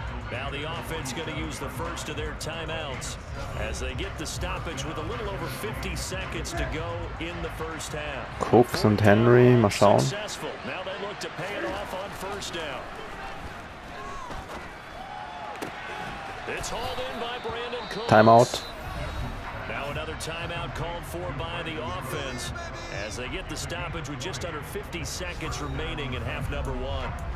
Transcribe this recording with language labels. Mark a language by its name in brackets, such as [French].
[English] Now the offense going to use the first of their timeouts as they get the stoppage with a little over 50 seconds to go in the first half. [German] Cooks und Henry, mal schauen. [English] Now they look to pay it off on first down. It's hauled in by Brandon Cooks. Timeout. Now another timeout called for by the offense as they get the stoppage with just under 50 seconds remaining in half number one.